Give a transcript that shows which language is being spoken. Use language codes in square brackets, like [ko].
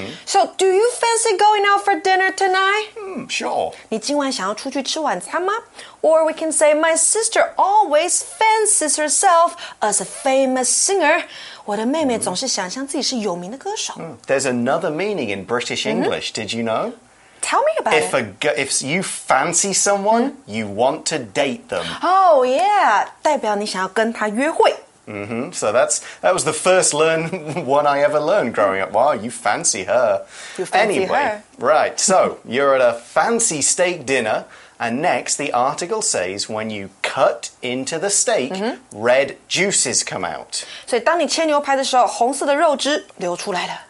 [en] So do you fancy going out for dinner tonight? Sure. [zh] 你今晚想要出去吃晚餐吗？ [en] Or we can say, my sister always fancies herself as a famous singer. [zh] 我的妹妹总是想象自己是有名的歌手。 [en] There's another meaning in British English, did you know? Tell me about it. If you fancy someone, you want to date them. Oh, yeah. [zh] 代表你想要跟她约会。 [en] So that was the first one I ever learned growing up. Wow, you fancy her. Right, so you're at a fancy steak dinner. And next, the article says, when you cut into the steak, red juices come out. [zh] 所以当你切牛排的时候，红色的肉汁流出来了。